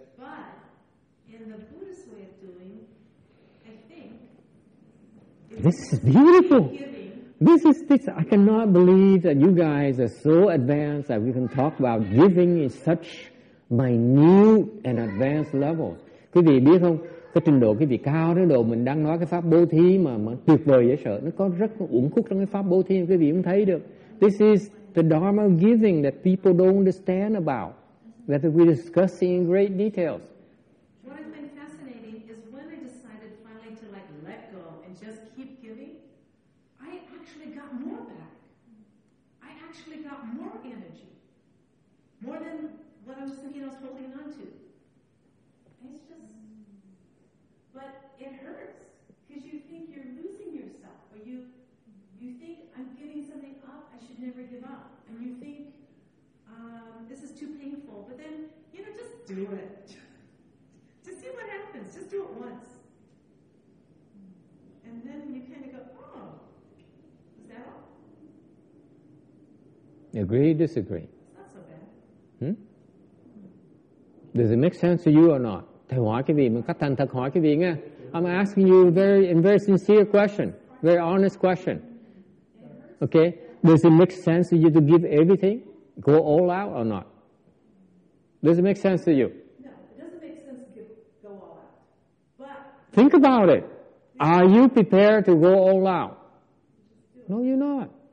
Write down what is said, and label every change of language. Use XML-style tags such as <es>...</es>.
<en>But in the Buddhist way of doing, I think this is beautiful. Giving, this is I cannot believe that you guys are so advanced that we can talk about giving in such minute and advanced levels.</en> <vi>Quý vị biết không? Cái trình độ quý vị cao đến độ mình đang nói cái pháp bố thí mà tuyệt vời dễ sợ. Nó có rất uổng khúc trong cái pháp bố thí mà quý vị cũng thấy được.</vi> <en>This is the Dharma of giving that people don't understand about, that we're discussing in great details. What I find fascinating is when I decided finally to like let go and just keep giving, I actually got more back. I actually got more energy. More than what I was thinking I was holding on to. It's just, but it hurts because you think you're losing yourself, or you think I'm giving something up, I should never give up. And you think, this is too painful. But then, you know, just do it. Just see what happens. Just do it once. And then you kind of go, oh, is that all? Agree, disagree. It's not so bad. Hmm? Does it make sense to you or not?</en> <vi>Thầy hỏi cái gì, mình cách thành thật hỏi cái gì nghe.</vi> <en>I'm asking you a very, very sincere question. Very honest question. Okay? Does it make sense to you to give everything? Go all out or not? Does it make sense to you? No, it doesn't make sense to go all out. But think about it. Are you prepared to go all out? No, you're not.</en>